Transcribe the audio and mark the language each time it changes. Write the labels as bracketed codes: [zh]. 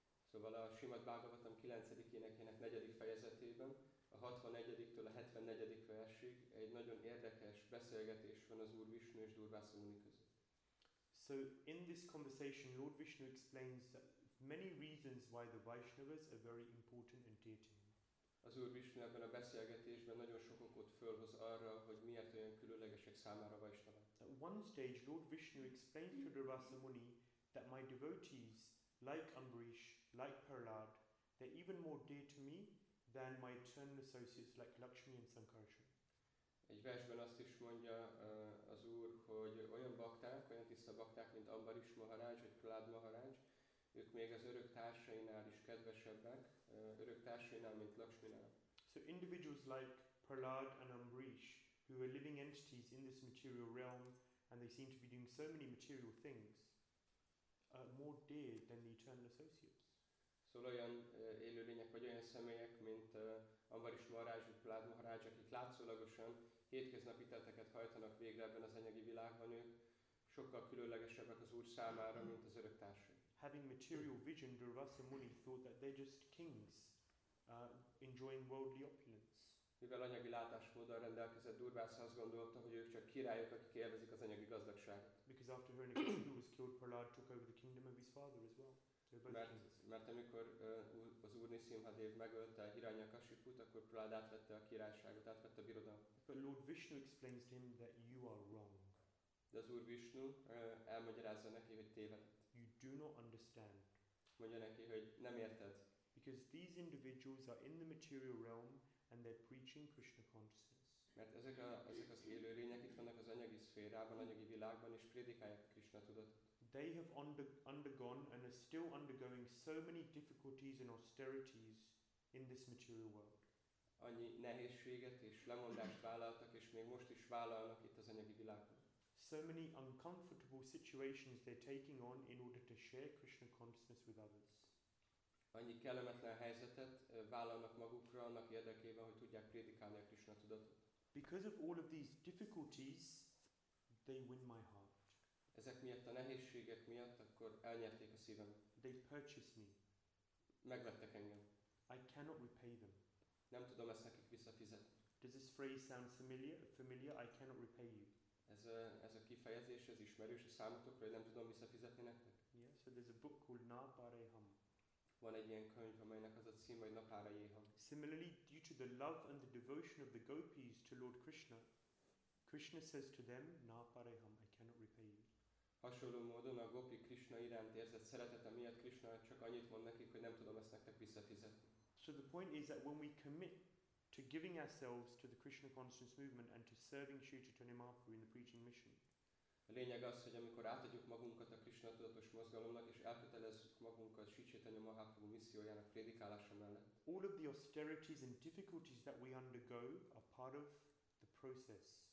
[hu] Szóval a Srimad Bhagavatam 9-ének 4. fejezetében, a 64-től a 74. versig egy nagyon érdekes beszélgetés van az Úr Vishnu és Durvasa Muni között. [en] So in this conversation, Lord Vishnu explains many reasons why the Vaishnavas are very important and dear to him. [hu] Az Úr Vishnu ebben a beszélgetésben nagyon sok okot fölhoz arra, hogy miért olyan különlegesek számára Vaishnavák. [en] At one stage, Lord Vishnu explained to Durvasa Muni that my devotees, like Ambarish, like Prahlad, they're even more dear to me than my eternal associates like Lakshmi and Sankarshan. [hu] Egy versben azt is mondja az Úr, hogy olyan bakták, olyan tiszta bakták, mint Ambarish Maharaj, vagy Prahlad Maharaj, ők még az örök társainál is kedvesebbek, örök társainál, mint Lakshminál. [en] So individuals like Prahlad and Ambarish, who are living entities in this material realm, and they seem to be doing so many material things, are more dear than the eternal associates. [hu] Szóval olyan élőlények, vagy olyan személyek, mint Ambarish Maharaj, vagy Prahlad Maharaj, akik látszólagosan hétköznapi tetteket hajtanak végre ebben az anyagi világban, ők sokkal különlegesebbek az Úr számára, mint az örök társai. [en] Having material vision, Durvasa Muni thought that they're just kings, enjoying worldly opulence. [hu] Mivel anyagi látásmóddal rendelkezett, Durvasa azt gondolta, hogy ők csak királyok, akik élvezik az anyagi gazdagságot. [en] Because after Hiranyakashipu was killed, Prahlad took over the kingdom of his father as well. [hu] Mert amikor az Úr Nisimhadev megölte Hiranyakashiput, akkor Prahlad átvette a királyságot, átvette a birodalmat. [en] But Lord Vishnu explains to him that you are wrong. [hu] De az Úr Vishnu elmagyarázza neki, hogy tévedett. [en] You do not understand. [hu] Mondja neki, hogy nem érted. [en] Because these individuals are in the material realm and they're preaching Krishna consciousness. [hu] Mert ezek az élőlények itt vannak az anyagi szférában, anyagi világban és prédikálják Krishna tudatot. [en] They have undergone and are still undergoing so many difficulties and austerities in this material world. [hu] Annyi nehézséget és lemondást vállaltak, és még most is vállalnak itt az anyagi világban. [en] So many uncomfortable situations they're taking on in order to share Krishna consciousness with others. [hu] Annyi kellemetlen helyzetet vállalnak magukra annak érdekében, hogy tudják prédikálni a Krishna tudatot. [en] Because of all of these difficulties, they win my heart. [hu] Ezek miatt, a nehézségek miatt, akkor elnyerték a szívem. [en] They purchased me. [hu] Megvettek engem. [en] I cannot repay them. [hu] Nem tudom ezt nekik visszafizetni. [en] Does this phrase sound familiar? I cannot repay you. [hu] Ez a kifejezés, ez ismerős a számotokra, hogy nem tudom visszafizetni nektek? [en] Yeah, so there's a book called Napareham. [hu] Van egy ilyen könyv, amelynek az a cím, hogy Napareham. [en] Similarly, due to the love and the devotion of the gopis to Lord Krishna, Krishna says to them, Napareham, I cannot repay you. [hu] Hasonló módon a gopi Krishna iránt érzett szeretete miatt Krishna csak annyit mond nekik, hogy nem tudom ezt nektek visszafizetni. [en] So the point is that when we commit to giving ourselves to the Krishna consciousness movement and to serving Sri Chaitanya Mahaprabhu in the preaching mission. [hu] A lényeg az, hogy amikor átadjuk magunkat a Krishna tudatos mozgalomnak és elkötelezzük magunkat Sri Chaitanya Mahaprabhu missziójának prédikálása mellett. [en] All of the austerities and difficulties that we undergo are part of the process.